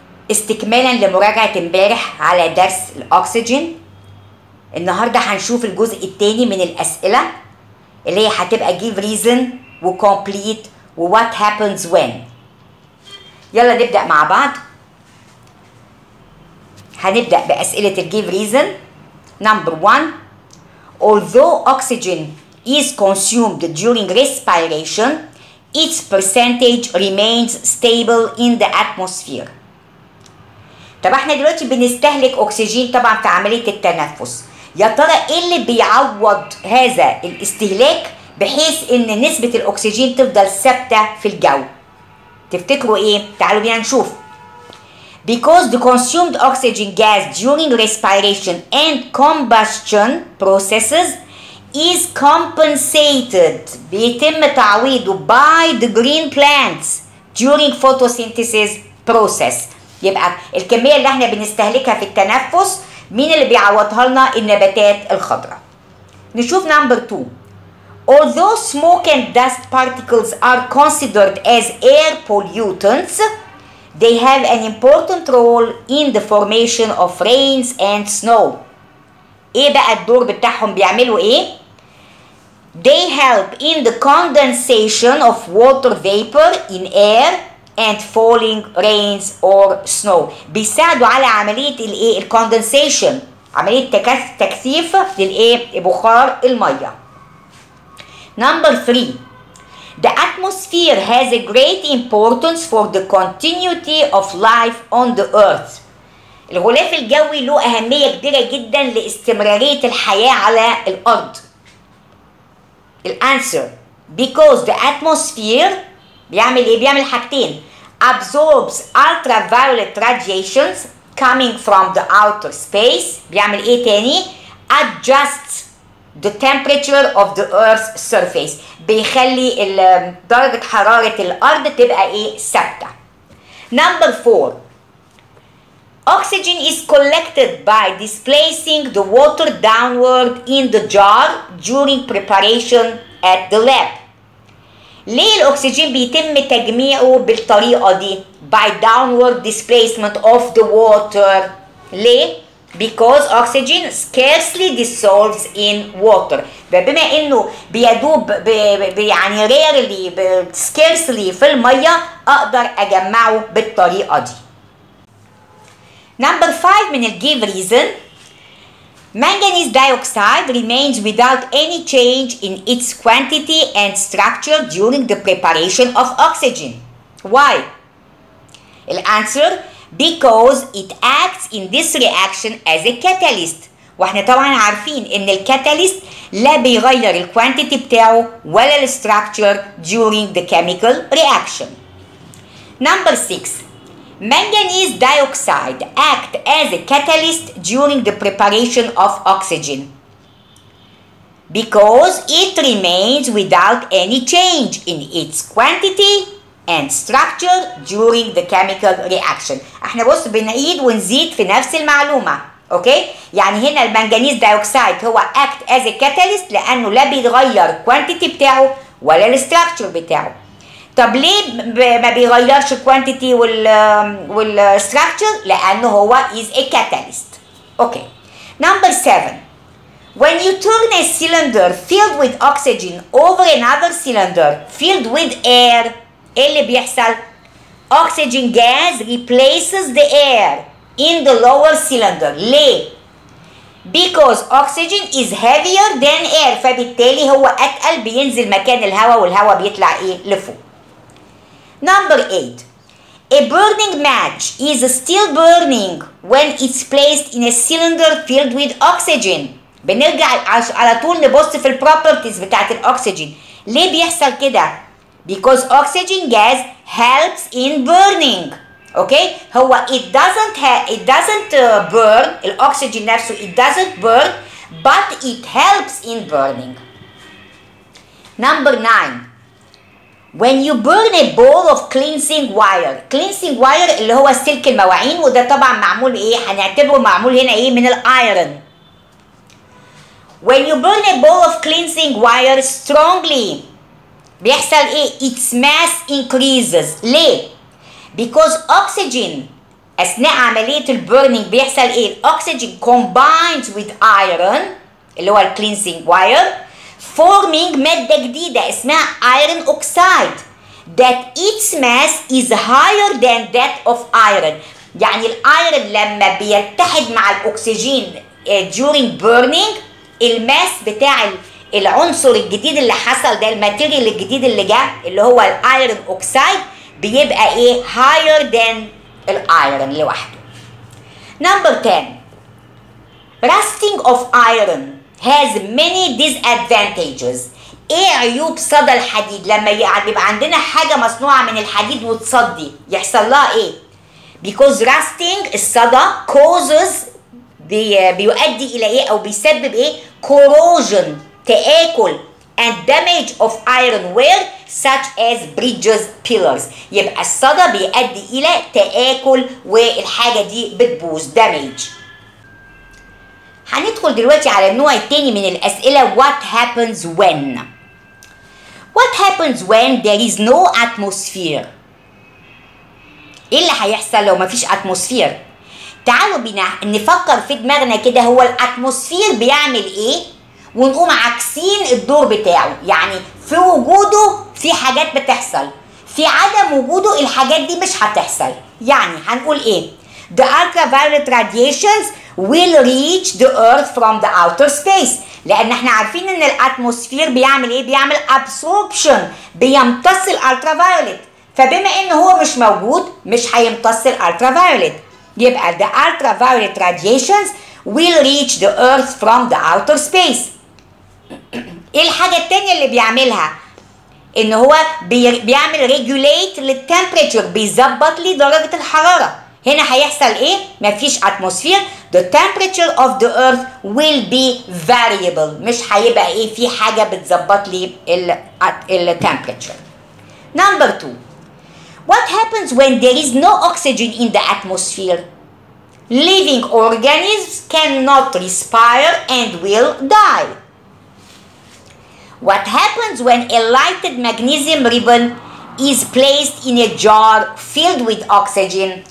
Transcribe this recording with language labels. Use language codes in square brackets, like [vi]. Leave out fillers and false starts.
[ar] استكمالاً لمراجعة امبارح على درس الأكسجين, النهاردة هنشوف الجزء الثاني من الأسئلة اللي هي هتبقى give reason و complete و [en] what happens when. [ar] يلا نبدأ مع بعض. هنبدأ بأسئلة [en] give reason. Number one, although oxygen is consumed during respiration, its percentage remains stable in the atmosphere. [ar] طب احنا دلوقتي بنستهلك أكسجين طبعا في عملية التنفس, يا ترى ايه اللي بيعوض هذا الاستهلاك بحيث ان نسبة الأكسجين تفضل ثابتة في الجو؟ تفتكروا ايه؟ تعالوا بينا نشوف. [en] Because the consumed oxygen gas during respiration and combustion processes is compensated, [ar] بيتم تعويضه [en] by the green plants during photosynthesis process. [ar] يبقى الكمية اللي احنا بنستهلكها في التنفس مين اللي بيعوضها لنا؟ النباتات الخضراء. نشوف [en] number two. Although smoke and dust particles are considered as air pollutants, they have an important role in the formation of rains and snow. [ar] ايه بقى الدور بتاعهم؟ بيعملوا ايه؟ [en] They help in the condensation of water vapor in air and falling rains or snow. [ar] بيساعدوا على عملية الايه؟ الكوندنسيشن, عملية تكثيف للايه؟ بخار المية. [en] Number three, the atmosphere has a great importance for the continuity of life on the earth. [ar] الغلاف الجوي له أهمية كبيرة جدا لاستمرارية الحياة على الأرض. [en] الانسر, because the atmosphere [ar] بيعمل ايه؟ بيعمل حاجتين, [en] absorbs ultraviolet radiations coming from the outer space, [ar] بيعمل ايه تاني؟ [en] adjusts the temperature of the earth's surface, [ar] بيخلي درجة حرارة الارض تبقى ايه؟ ثابتة. [en] Number four, oxygen is collected by displacing the water downward in the jar during preparation at the lab. [ar] ليه الأكسجين بيتم تجميعه بالطريقة دي؟ [en] By downward displacement of the water. ليه؟ Because oxygen scarcely dissolves in water. [ar] بما انه بيدوب يعني rarely, scarcely في المية, اقدر اجمعه بالطريقة دي. [en] Number five من الgive reason, manganese dioxide remains without any change in its quantity and structure during the preparation of oxygen. Why? The answer, because it acts in this reaction as a catalyst. [ar] واحنا طبعا عارفين ان الكاتاليست لا بيغير الكوانتيتي بتاعه ولا الستراكشر [en] during the chemical reaction. Number six, manganese dioxide act as a catalyst during the preparation of oxygen because it remains without any change in its quantity and structure during the chemical reaction. [ar] احنا بص بنعيد ونزيد في نفس المعلومة, اوكي؟ يعني هنا المنغنيز دايوكسيد هو [en] act as a catalyst [ar] لانه لا بيتغير quantity بتاعه ولا الستراكشر بتاعه. طب ليه ما بيغيرش الكوانتيتي والستراكشر؟ لانه هو [en] is a catalyst. Okay. Number seven, when you turn a cylinder filled with oxygen over another cylinder filled with air, [ar] ايه اللي بيحصل؟ [en] Oxygen gas replaces the air in the lower cylinder. [ar] ليه؟ [en] Because oxygen is heavier than air, [ar] فبالتالي هو اتقل, بينزل مكان الهواء والهواء بيطلع ايه؟ لفوق. [en] Number eight, a burning match is still burning when it's placed in a cylinder filled with oxygen. [ar] بنرجع على طول نبص في البروبرتيز بتاعت الاكسجين. ليه بيحصل كده؟ [en] Because oxygen gas helps in burning. Okay? هو it doesn't burn, [ar] الاكسجين نفسه [en] it doesn't burn, but it helps in burning. Number 9. When you burn a ball of cleansing wire. [ar] Cleansing wire اللي هو سلك المواعين, وده طبعا معمول ايه, هنعتبره معمول هنا ايه, من الايرون. [en] When you burn a ball of cleansing wire strongly, [ar] بيحصل ايه, [en] its mass increases. ليه؟ Because oxygen [ar] اثناء عملية البرنينج بيحصل ايه, [en] الاكسجين combines with iron اللي هو cleansing wire forming [ar] مادة جديدة اسمها [en] iron oxide that its mass is higher than that of iron. [ar] يعني الايرون لما بيتحد مع الاكسجين [en] during burning, [ar] الماس بتاع العنصر الجديد اللي حصل ده, الماتيريال الجديد اللي جاء اللي هو الايرون اوكسايد, بيبقى ايه, [en] higher than [ar] الايرون لوحده. [en] Number 10. Rusting of iron has many disadvantages. [ar] ايه عيوب صدى الحديد لما يبقى عندنا حاجة مصنوعة من الحديد وتصدي, يحصل لها ايه؟ [en] Because rusting [ar] الصدى causes بيؤدي الى ايه, او بيسبب ايه, corrosion تآكل [en] and damage of iron ware such as bridges pillars. [ar] يبقى الصدى بيؤدي الى تآكل والحاجة دي بتبوظ damage. هندخل دلوقتي على النوع التاني من الاسئلة, what happens when. [en] What happens when there is no atmosphere. [ar] ايه اللي هيحصل لو مفيش اتموسفير؟ تعالوا بنا نفكر في دماغنا كده, هو الاتموسفير بيعمل ايه, ونقوم عكسين الدور بتاعه. يعني في وجوده في حاجات بتحصل, في عدم وجوده الحاجات دي مش هتحصل. يعني هنقول ايه, [en] the ultraviolet radiations will reach the earth from the outer space, [ar] لان احنا عارفين ان الاتموسفير بيعمل ايه, بيعمل absorption, بيمتص الالترافايولت. فبما ان هو مش موجود مش هيمتص الالترافايولت, يبقى [en] the ultraviolet radiations will reach the earth from the outer space. [ar] ايه الحاجة التانية اللي بيعملها, ان هو بيعمل regulate للtemperature, بيزبط لي درجة الحرارة. هنا هيحصل ايه, مفيش اتموسفير, [en] the temperature of the earth will be variable, [ar] مش هيبقى ايه في حاجة بتزبط لي التemperature. [en] Number 2. What happens when there is no oxygen in the atmosphere? Living organisms cannot respire and will die. What happens when a lighted magnesium ribbon is placed in a jar filled with oxygen?